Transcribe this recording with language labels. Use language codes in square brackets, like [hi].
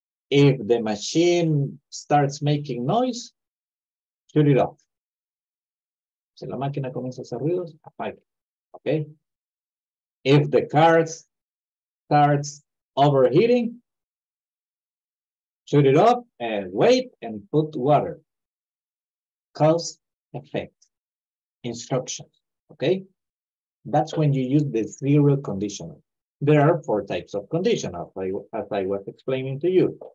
[en] If the machine starts making noise, shut it off. [es] Si la máquina comienza a hacer ruidos, apague. [en] Okay? If the car starts overheating, shut it up and wait and put water. Cause, effect, instructions. Okay? That's when you use the zero conditional. There are four types of conditional, as I was explaining to you.